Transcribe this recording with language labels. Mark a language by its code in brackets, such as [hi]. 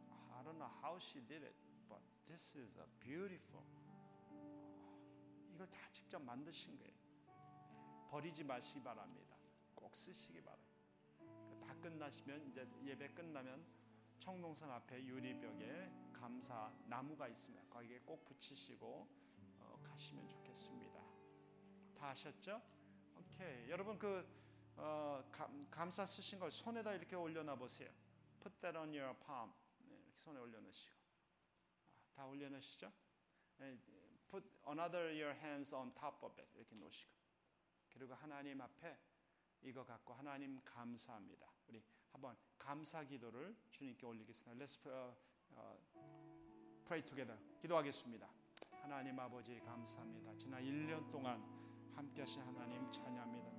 [en] I don't know how she did it, but this is a beautiful. [ko] 이걸 다 직접 만드신 거예요. 버리지 마시기 바랍니다. 꼭 쓰시기 바랍니다. 다 끝나시면 이제 예배 끝나면 청동선 앞에 유리벽에 감사 나무가 있으면 거기에 꼭 붙이시고 가시면 좋겠습니다. 다 아셨죠? 오케이. 여러분 그 감사 쓰신 걸 손에다 이렇게 올려놔 보세요. [en] Put that on your palm. [ko] 네, 이렇게 손에 올려놓으시고 다 올려놓으시죠? [en] Put another your hands on top of it. [ko] 이렇게 놓으시고 그리고 하나님 앞에 이거 갖고 하나님 감사합니다. 우리 한번 감사 기도를 주님께 올리겠습니다. [en] Let's pray together. [ko] 기도하겠습니다. 하나님 아버지 감사합니다. 지난 1년 동안 함께 하신 하나님 찬양합니다.